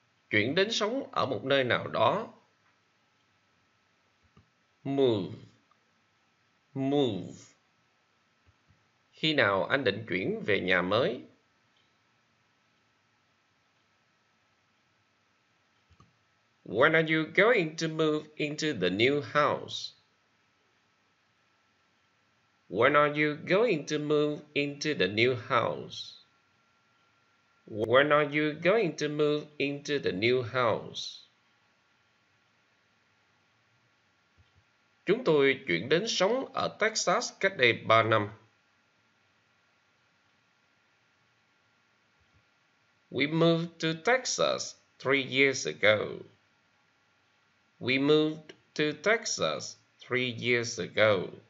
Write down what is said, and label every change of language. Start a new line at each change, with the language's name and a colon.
Vietnamese: Chuyển đến sống ở một nơi nào đó.
English: Move. Move.
Vietnamese: Khi nào anh định chuyển về nhà mới?
English: When are you going to move into the new house? When are you going to move into the new house? When are you going to move into the new house?
Vietnamese: Chúng tôi chuyển đến sống ở Texas cách đây 3 năm.
English: We moved to Texas 3 years ago. We moved to Texas 3 years ago.